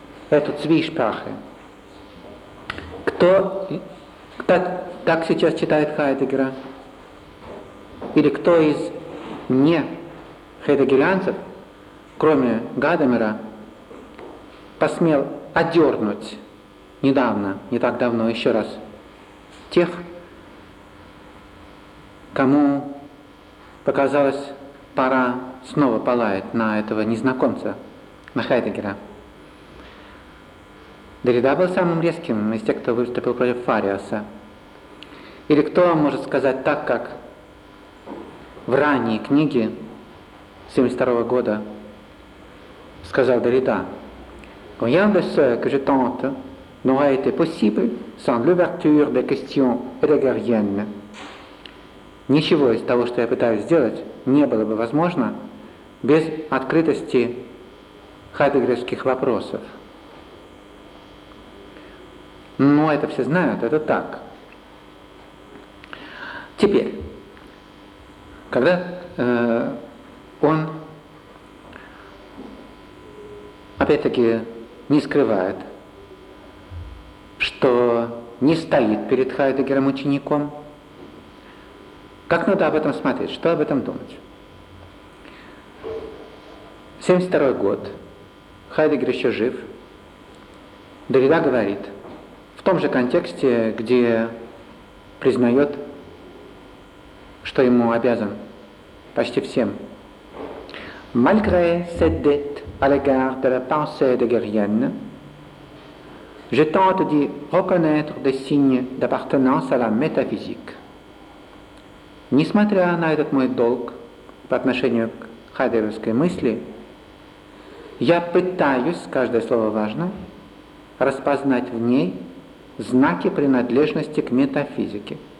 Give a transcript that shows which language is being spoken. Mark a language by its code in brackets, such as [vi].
[ru] Это Zwiesprache. Кто так сейчас читает Хайдеггера, или кто из не хайдеггерианцев, кроме Гадамера, посмел одернуть недавно, не так давно, еще раз, тех, кому показалось, пора снова полаять на этого незнакомца, на Хайдеггера. Деррида был самым резким из тех, кто выступил против Фариаса. Или кто может сказать так, как в ранней книге 1972 года сказал Деррида: [fr] «Rien de ce que je tente n'aurait été possible sans l'ouverture des questions hegeliennes». [ru] Ничего из того, что я пытаюсь сделать, не было бы возможно без открытости хайдеггерских вопросов. Но это все знают, это так. Теперь, когда он, опять-таки, не скрывает, что не стоит перед Хайдеггером учеником, как надо об этом смотреть, что об этом думать? 1972 год, Хайдеггер еще жив, Деррида говорит, в том же контексте, где признает, что ему обязан почти всем. [fr] Malgré cette dette à l'égard de la pensée hegelienne, je tente d'y reconnaître des signes d'appartenance à la métaphysique. [ru] Несмотря на этот мой долг по отношению к хайдеггерской мысли, я пытаюсь, каждое слово важно, распознать в ней знаки принадлежности к метафизике.